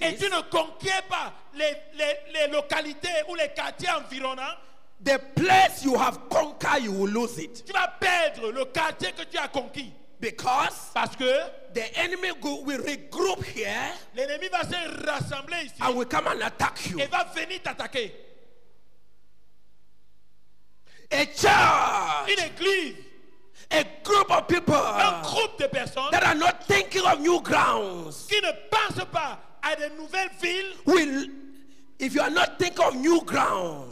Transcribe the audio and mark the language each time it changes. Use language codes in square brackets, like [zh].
[fr] et tu ne conquiers pas les localités ou les quartiers environnants, [en] the place you have conquered, you will lose it. [fr] Tu vas perdre le quartier que tu as conquis. [en] Because [fr] parce que [en] the enemy will regroup here. [fr] L'ennemi va se rassembler ici. [en] And will come and attack you. [fr] Et va venir t'attaquer. [en] A church. [fr] Une église. [en] A group of people. [fr] Un groupe de personnes. [en] That are not thinking of new grounds. [fr] Qui ne pensent pas à de nouvelles villes. [en] If you are not thinking of new ground,